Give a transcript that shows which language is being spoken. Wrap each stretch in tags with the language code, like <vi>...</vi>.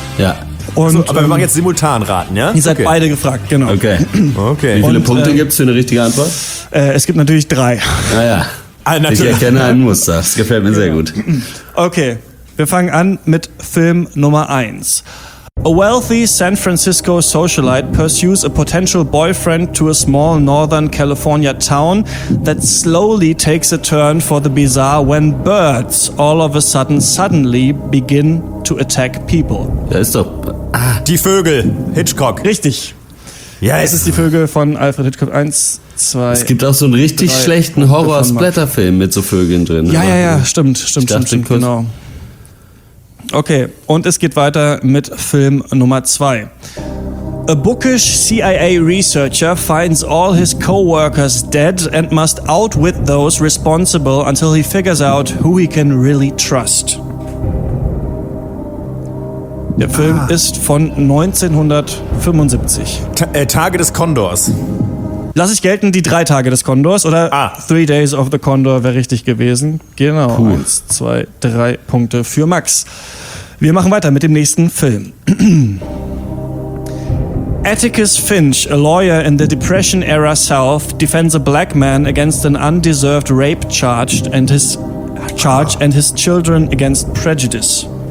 <de>Ja. Und, so, aber wir machen jetzt simultan raten, ja? Ihr seid beide gefragt, genau. Okay. Okay. Wie viele Punkte gibt es für eine richtige Antwort? Es gibt natürlich 3. Naja. Ich erkenne ein Muster. Das gefällt mir sehr gut. Okay. Wir fangen an mit Film Nummer 1.</de> <en>A wealthy San Francisco socialite pursues a potential boyfriend to a small Northern California town that slowly takes a turn for the bizarre when birds all of a sudden suddenly begin to attack people.</en> <de>Da ist doch... Die Vögel, Hitchcock. Richtig. Ja, es ist Die Vögel von Alfred Hitchcock. 1, 2. Es gibt auch so einen richtig schlechten Horror-Splatter-Film mit so Vögeln drin. Ja, ja, ja, stimmt, genau. Okay, und es geht weiter mit Film Nummer 2.</de> <en>A bookish CIA researcher finds all his co-workers dead and must outwit those responsible until he figures out who he can really trust.</en> <de>Der Film ist von 1975. Tage des Kondors. Lass ich gelten, die 3 Tage des Kondors, oder? Ah. 3 Days of the Condor wäre richtig gewesen. Genau. Puh. 1, 2, 3 Punkte für Max. Wir machen weiter mit dem nächsten Film.</de> <en>Atticus Finch, a lawyer in the Depression era South, defends a black man against an undeserved rape charge and his children against prejudice.</en>